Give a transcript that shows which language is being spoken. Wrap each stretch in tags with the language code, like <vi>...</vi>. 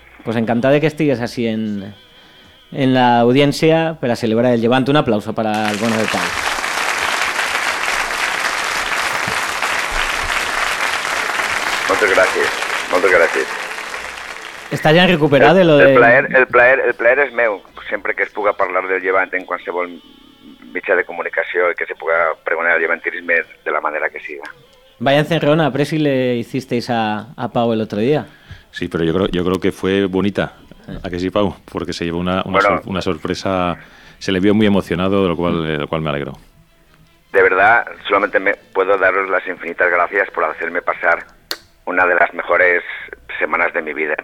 <es>Pues encantado de que estigues así en la audiencia para celebrar el Levante. Un aplauso para el bueno de Pau. Muchas gracias. ¿Estás ya recuperado de lo de...?</es> <ca>El plaer es meu. Sempre que es puga parlar del Levante en qualsevol mitjà de comunicació i que se puga pregonar el levantisme de la manera que siga.</ca> <es>Vaya encerrona, Presi, le hicisteis a Pau el otro día. Sí, pero yo creo que fue bonita. ¿A que sí, Pau? Porque se llevó una sorpresa. Se le vio muy emocionado, de lo cual me alegro. De verdad, solamente me puedo daros las infinitas gracias por hacerme pasar una de las mejores semanas de mi vida.</es>